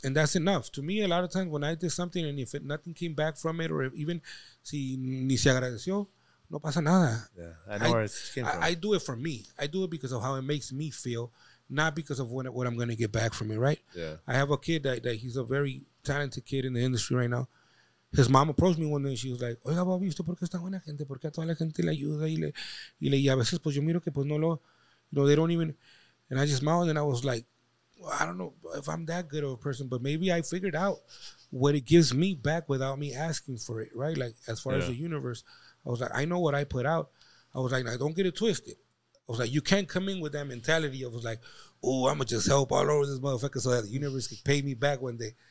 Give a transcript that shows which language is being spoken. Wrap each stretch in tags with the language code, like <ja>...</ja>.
<en>And that's enough. To me, a lot of times when I did something and if nothing came back from it or even</en> <es>si ni se agradeció, no pasa nada.</es> <en>Yeah, I know where it came from. I do it for me. I do it because of how it makes me feel, not because of what I'm going to get back from it, right? Yeah. I have a kid that he's a very talented kid in the industry right now. His mom approached me one day and she was like,</en> <es>oiga, Bobby, ¿usted por qué es tan buena gente? ¿Por qué a toda la gente le ayuda? Y a veces, pues yo miro que pues no lo...</es> <en>You know, they don't even... And I just smiled and I was like, well, I don't know if I'm that good of a person, but maybe I figured out what it gives me back without me asking for it, right? Like, as far as the universe, I was like, I know what I put out. I was like, now don't get it twisted. I was like, you can't come in with that mentality. I was like, oh, I'm going to just help all over this motherfucker so that the universe can pay me back one day.</en>